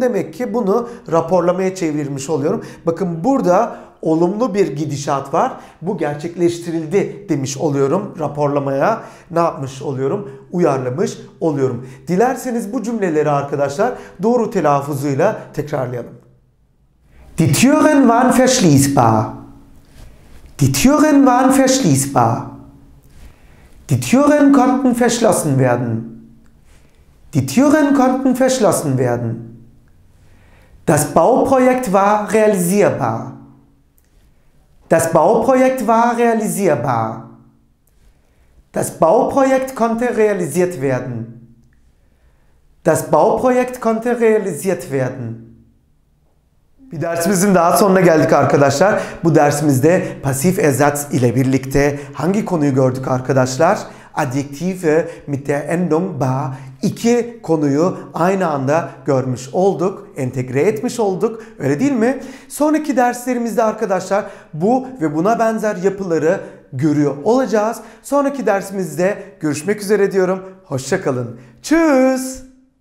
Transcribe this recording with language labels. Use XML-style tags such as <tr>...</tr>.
<tr>Demek ki bunu raporlamaya çevirmiş oluyorum. Bakın burada olumlu bir gidişat var. Bu gerçekleştirildi demiş oluyorum. Raporlamaya ne yapmış oluyorum? Uyarlamış oluyorum. Dilerseniz bu cümleleri arkadaşlar doğru telaffuzuyla tekrarlayalım.</tr> <de>Die Türen waren verschließbar. Die Türen waren verschließbar. Die Türen konnten verschlossen werden. Die Türen konnten verschlossen werden. Das Bauprojekt war realisierbar. Das Bauprojekt war realisierbar. Das Bauprojekt konnte realisiert werden. Das Bauprojekt konnte realisiert werden.</de> <tr>Bir dersimizin daha sonuna geldik arkadaşlar. Bu dersimizde pasif ersatz ile birlikte hangi konuyu gördük arkadaşlar?</tr> <de>Adjektive mit der Endung bar.</de> <tr>İki konuyu aynı anda görmüş olduk, entegre etmiş olduk, öyle değil mi? Sonraki derslerimizde arkadaşlar bu ve buna benzer yapıları görüyor olacağız. Sonraki dersimizde görüşmek üzere diyorum. Hoşça kalın. Tschüss.</tr>